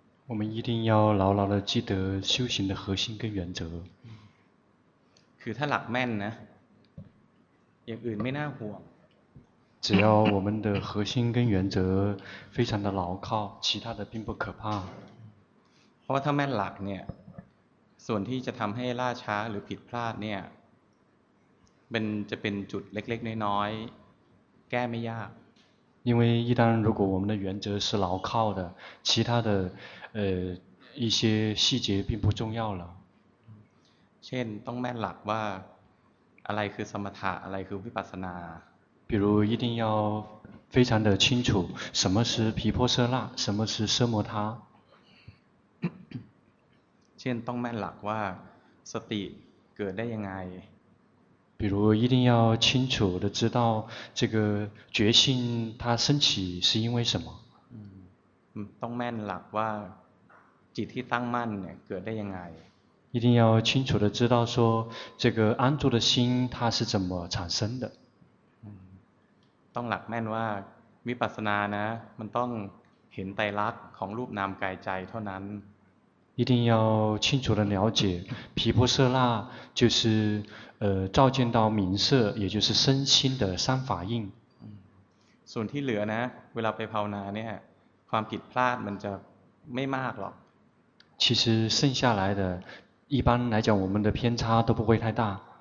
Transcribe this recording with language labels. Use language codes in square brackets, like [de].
[zh] 我们一定要牢牢地记得修行的核心跟原则 [th] คือถ้าหลักแม่นนะอย่างอื่นไม่น่าห่วง [zh] 只要我们的核心跟原则非常的牢靠其他的并不可怕 [th] เพราะถ้าแม่นหลักเนี่ยส่วนที่จะทำให้ล่าช้าหรือผิดพลาดเนี่ยมันจะเป็นจุดเล็กๆน้อยๆแก้ไม่ยาก [zh] 因为一旦如果我们的原则是牢靠的其他的一些细节并不重要了 [th] เช่นต้องแม่นหลักว่าอะไรคือสมถะอะไรคือวิปัสสนา [zh] 比如一定要非常的清楚什么是毗婆舍那什么是奢摩他 [th] เช่นต้องแม่นหลักว่าสติเกิดได้ยังไง [zh] 比如一定要清楚的知道这个决心它升起是因为什么 [th] ต้องแม่นหลักว่าจิตที่ตั้งมั่นเนี่ยเกิดได้ยังไง [zh] 一定要清楚的知道说这个安住的心它是怎么产生的 [th] ต้องหลักแม่นว่าวิปัสสนานะมันต้องเห็นไตรลักษณ์ของรูปนามกายใจเท่านั้น [zh] 一定要清楚的了解毗婆舍那就是照见到名色也就是身心的三法印 [th] ส่วนที่เหลือนะเวลาไปภาวนาเนี่ยความผิดพลาดมันจะไม่มากหรอก [zh] 其实剩下来的一般来讲我们的偏差都不会太大